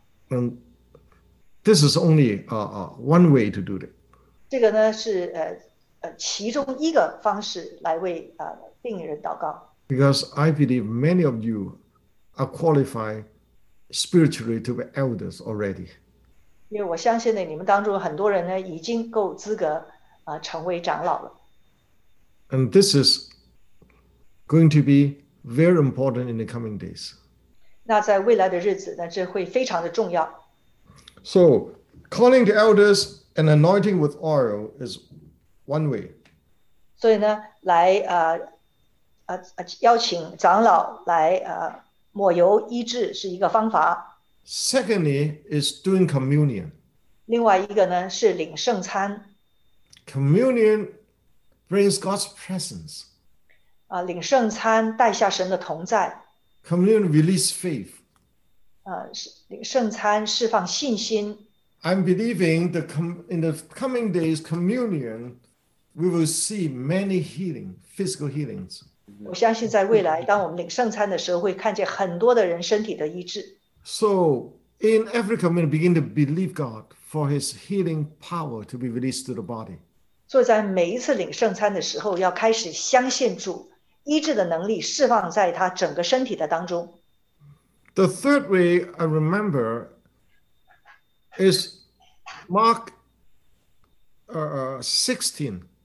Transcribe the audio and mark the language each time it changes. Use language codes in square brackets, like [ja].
[en] and this is only one way to do it. [zh] 这个呢是, 其中一个方式来为, 病人祷告。 [en] Because I believe many of you are qualified spiritually to be elders already. [zh] 因为我相信呢,你们当中很多人呢, 已经够资格, 成为长老了。 [en] And this is going to be very important in the coming days. [zh] 那在未来的日子呢,这会非常的重要。 [en] So, calling the elders and anointing with oil is one way. [zh] 所以呢,来, 邀请长老来, 抹油医治是一个方法。 [en] Secondly, is doing communion. [zh] 另外一个呢,是领圣餐。 [en] Communion brings God's presence. [zh] 领圣餐带下神的同在。 [en] Communion release faith. [zh] 圣餐释放信心。 [en] I'm believing the in the coming days, communion, we will see many healing, physical healings. [zh] 我相信在未来, 当我们领圣餐的时候, 会看见很多的人身体的医治。 [en] So, in every communion, begin to believe God for his healing power to be released to the body. [zh] 所以在每一次领圣餐的时候, 要开始相信主, 医治的能力释放在他整个身体的当中。 [en] The third way I remember is Mark 16.